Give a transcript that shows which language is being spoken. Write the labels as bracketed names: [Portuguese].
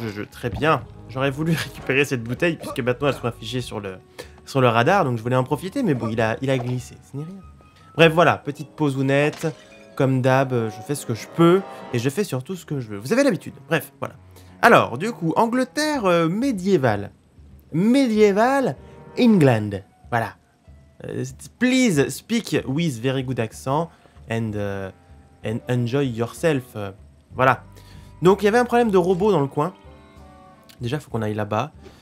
[French] Très bien, j'aurais voulu récupérer cette bouteille, puisque maintenant elle sera affichée sur le radar, donc je voulais en profiter, mais bon, il a glissé, ce n'est rien. Bref, voilà, petite pause ounette. Comme d'hab, je fais ce que je peux, et je fais surtout ce que je veux. Vous avez l'habitude. Bref, voilà. Alors, du coup, Angleterre médiévale. [English] Medieval England. Voilà. Please speak with very good accent and enjoy yourself. [French] Voilà. Donc, il y avait un problème de robot dans le coin. Déjà, il faut qu'on aille là-bas.